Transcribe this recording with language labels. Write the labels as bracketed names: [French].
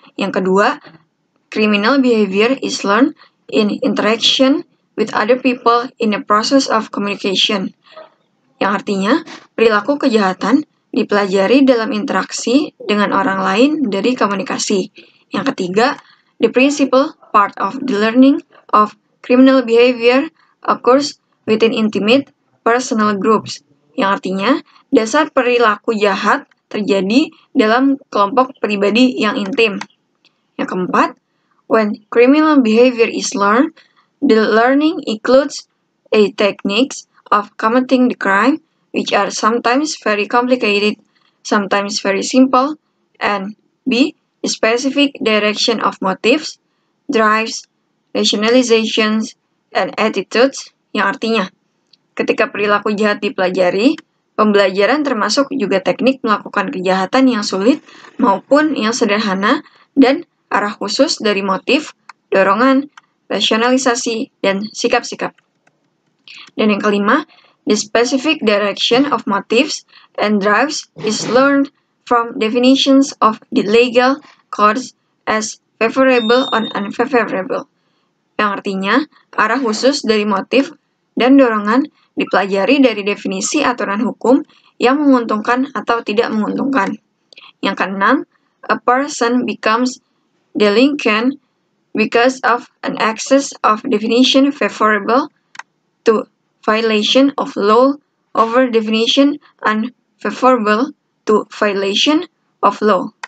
[Indonesian] Yang kedua, [English] criminal behavior is learned in interaction with other people in the process of communication. [Indonesian] Yang artinya, perilaku kejahatan dipelajari dalam interaksi dengan orang lain dari komunikasi. Yang ketiga, [English] the principal part of the learning of criminal behavior occurs within intimate personal groups. [Indonesian] Yang artinya, dasar perilaku jahat terjadi dalam kelompok pribadi yang intim. Yang keempat, [English] when criminal behavior is learned, the learning includes a techniques of committing the crime, which are sometimes very complicated, sometimes very simple, and B, the specific direction of motives, drives, rationalizations, and attitudes, [Indonesian] yang artinya, ketika perilaku jahat dipelajari, pembelajaran termasuk juga teknik melakukan kejahatan yang sulit maupun yang sederhana, dan arah khusus dari motif, dorongan, rasionalisasi, dan sikap-sikap. Dan yang kelima, [English] the specific direction of motives and drives is learned from definitions of the legal codes as favorable or unfavorable. [Indonesian] Yang artinya, arah khusus dari motif dan dorongan dipelajari dari definisi aturan hukum yang menguntungkan atau tidak menguntungkan. Yang keenam, [English] a person becomes delinquent because of an excess of definition favorable to violation of law over definition unfavorable to violation of law.